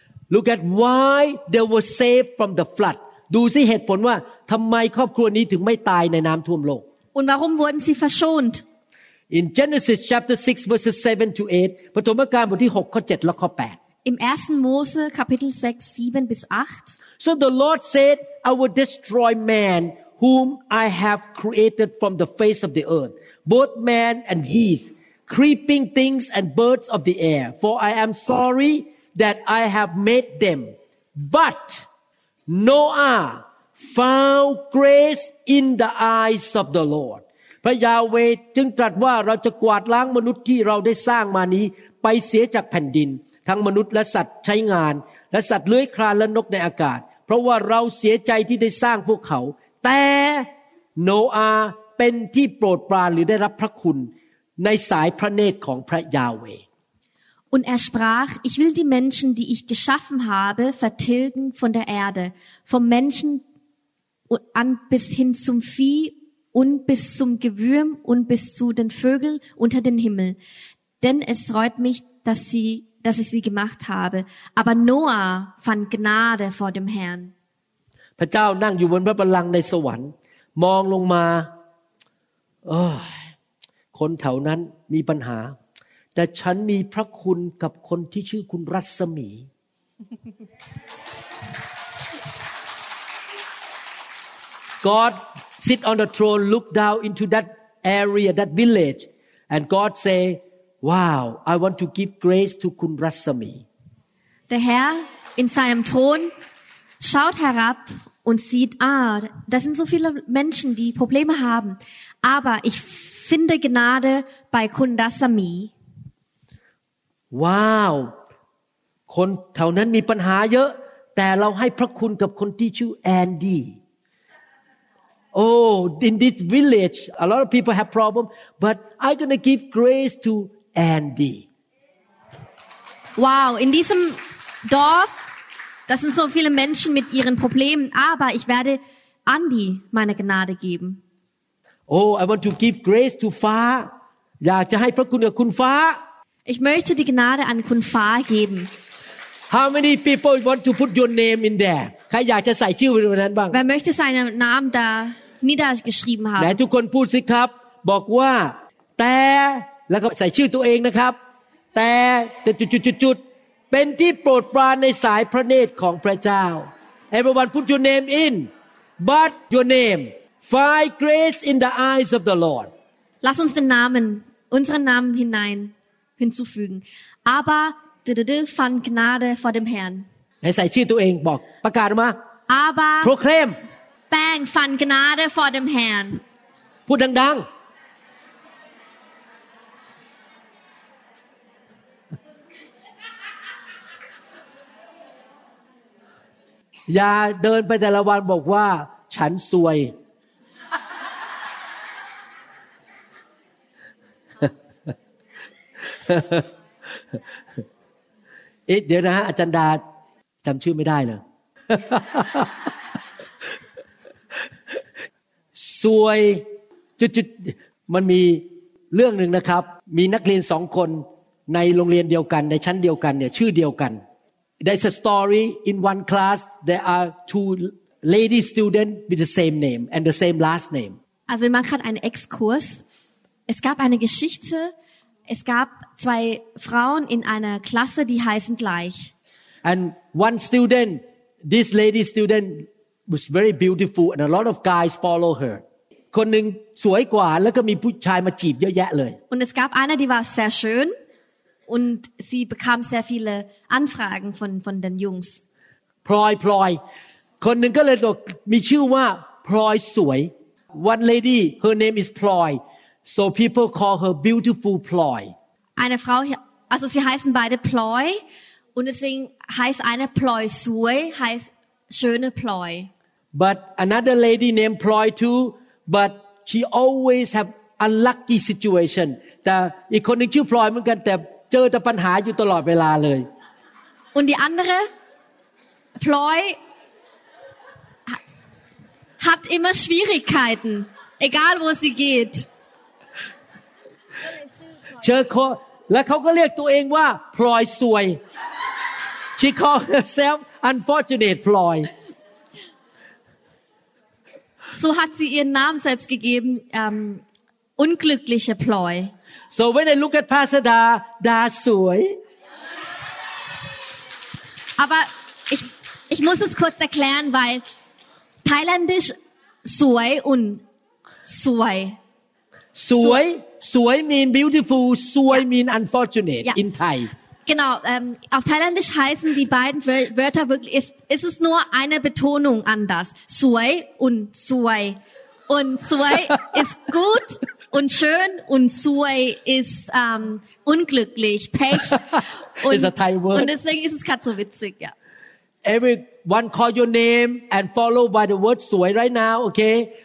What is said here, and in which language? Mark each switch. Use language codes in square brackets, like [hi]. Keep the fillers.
[en] Look at why they were saved from the flood. [th] ดูสิเหตุผลว่าทำไมครอบครัวนี้ถึงไม่ตายในน้ำท่วมโลก [de] Und warum wurden sie verschont? [en] In Genesis chapter 6 verses 7 to 8, [th] ปฐมกาลบทที่6ข้อ7และข้อ8 [de] Im ersten Mose Kapitel 6 7 bis 8 [en] So the Lord said I will destroy man whom I have created from the face of the earth both man and heath creeping things and birds of the air for I am sorry that I have made them but Noah found grace in the eyes of the Lord [th] พระยาเวจึงตรัสว่าเราจะกวาดล้างมนุษย์ที่เราได้สร้างมานี้ไปเสียจากแผ่นดิน ทั้งมนุษย์และสัตว์ใช้งานและสัตว์เลื้อยคลานและนกในอากาศ เพราะว่าเราเสียใจที่ได้สร้างพวกเขา แต่โนอาเป็นที่โปรดปรานหรือได้รับพระคุณในสายพระเนตรของพระยาเว [de] Und er sprach, ich will die Menschen, die ich geschaffen habe, vertilgen von der Erde, vom Menschen an bis hin zum Vieh und bis zum Gewürm und bis zu den Vögeln unter den Himmel. Denn es freut mich, dass, ich sie, sie, sie gemacht habe. Aber Noah fand Gnade vor dem Herrn. ich [th] พระเจ้านั่งอยู่บนพระบัลลังก์ในสวรรค์มองลงมาคนแถวนั้นมีปัญหาแต่ฉันมีพระคุณกับคนที่ชื่อคุณรัศมี [en] God sit on the throne, look down into that area, that village, and God say, "Wow, I want to give grace to Kun [de] Der Herr in seinem Thron schaut herab und sieht, ah, das sind so viele Menschen, die Probleme haben, aber ich finde Gnade bei Kundasami. [en] Wow, Kun Rasami. Wow. [th] คนแถวนั้นมีปัญหาเยอะแต่เราให้พระคุณกับคนที่ชื่อแอนดี้ [en] oh, in this village, a lot of people have problems, but I'm gonna give grace to Andy. [de] Wow, in diesem Dorf, das sind so viele Menschen mit ihren Problemen, aber ich werde Andy meine Gnade [en] geben. Oh, I want to give grace to Fa. [de] Ja, ich möchte die Gnade an Kun Fa geben. [en] How many people want to put your name in there? [de] Wer möchte seinen Namen da niedergeschrieben haben. [th] ทุกคนพูดสิครับบอกว่าแต่แล้วก็ใส่ชื่อตัวเองนะครับ แต่จุดจุดเป็นที่โปรดปรานในสายพระเนตรของพระเจ้า [en] Everyone put your name in but your name find grace in the eyes of the Lord [de] Lass uns den Namen unseren Namen hinein hinzufügen aber du du du fand Gnade vor dem Herrn [th] ให้ใส่ชื่อตัวเองบอกประกาศมา aber proclaim แป้งฟันกนาได้ฟอร์ดม แฮนพูดดังๆอย่าเดินไปแต่ละวันบอกว่า ฉันซวย เอ๊ะเดี๋ยวนะอาจารย์ดาจำชื่อไม่ได้เลย วยจุดๆมันมีเรื่องหนึ่งนะครับมีนักเรียนสองคนในโรงเรียนเดียวกันในชั้นเดียวกันเนี่ยชื่อเดียวกัน [en] There's a story in one class there are two lady students with the same name and the same last name [de] Also man hat einen Exkurs Es gab eine Geschichte Es gab zwei Frauen in einer Klasse die heißen gleich [en] And one student this lady student was very beautiful and a lot of guys follow her [th] คนหนึ่งสวยกว่าแล้วก็มีผู้ชายมาจีบเยอะแยะเลย [de] und es gab eine die war sehr schön und sie bekam sehr viele Anfragen von von den Jungs [th] พลอยพลอยคนหนึ่งก็เลยบอกมีชื่อว่าพลอยสวย [en] one lady her name is ploy so people call her beautiful ploy [de] eine Frau also sie heißen beide ploy und deswegen heißt eine ploy สวย heißt schöne ploy [en] but another lady named ploy too but she always have unlucky situation [th] แต่อีกคนหนึ่งชื่อพลอยเหมือนกันแต่เจอแต่ปัญหาอยู่ตลอดเวลาเลย [de] und die andere Ploy hat immer Schwierigkeiten egal wo sie geht [th] เชอร์และเขาก็เรียกตัวเองว่า พลอยสวย [en] she c a l l herself unfortunate [th] พลอย [de] so hat sie ihren Namen selbst gegeben, um, unglückliche Ploy. So wenn ich [en] look at [de] Pastor Da, Da Sui. Aber ich, ich muss es kurz erklären, weil thailändisch Sui und Sui. [en] Sui, Sui mean beautiful, Sui ja. mean unfortunate ja. in Thai. [de] Genau, ähm, auf Thailändisch heißen die beiden Wör Wörter wirklich, ist, ist es nur eine Betonung anders. Suay und Suay. Und Suay ist gut und schön und Suay ist um, unglücklich, Pech. Und, ist und deswegen ist es gerade so witzig, ja. [en] Everyone call your name and follow by the word Suay right now, okay?